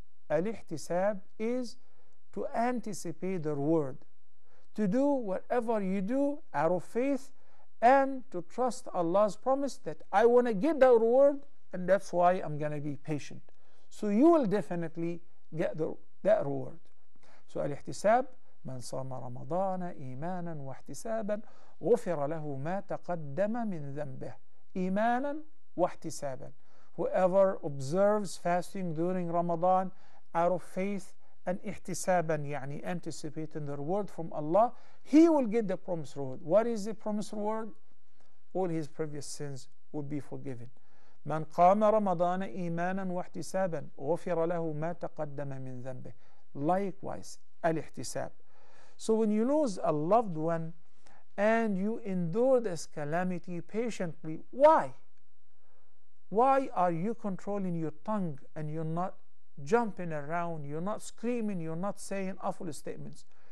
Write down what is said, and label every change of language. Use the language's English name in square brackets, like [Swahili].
[English] الاحتساب is to anticipate the reward, to do whatever you do out of faith, and to trust Allah's promise that I want to get the reward, and that's why I'm going to be patient. So you will definitely get that reward. [Arabic] So الاحتساب, من صام رمضان إيمانا واحتسابا غفر له ما تقدم من ذنبه. إيمانا واحتسابا. [English] Whoever observes fasting during Ramadan out of faith and احتسابا, يعني anticipating the reward from Allah, he will get the promised reward. What is the promised reward? All his previous sins will be forgiven. [Arabic] من قام رمضان إيمانا واحتسابا غفر له ما تقدم من ذنبه. [English] Likewise, الاحتساب. So when you lose a loved one and you endure this calamity patiently, why? Why are you controlling your tongue and you're not jumping around, you're not screaming, you're not saying awful statements?